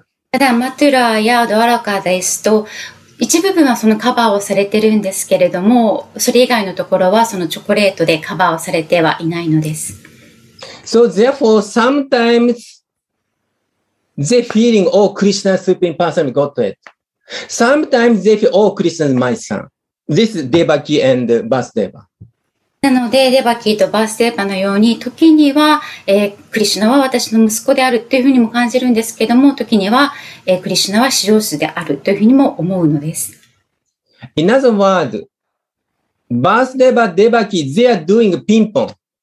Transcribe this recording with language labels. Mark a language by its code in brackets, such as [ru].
[ja] ただ、Mathura や Dwaraka ですと、一部分はそのカバーをされてるんですけれども、それ以外のところはそのチョコレートでカバーをされてはいないのです。 [en] So therefore, sometimes the feeling, oh, Krishna Supreme Personality got it. Sometimes they feel, oh, Krishna is my son. This is Devaki and Vasudeva. [ja] なので、Devaki と Vasudeva のように、時には、クリシュナは私の息子であるというふうにも感じるんですけども、時には、クリシュナは至上主であるというふうにも思うのです。 [en] In other words, Vasudeva, Devaki, they are doing ping pong.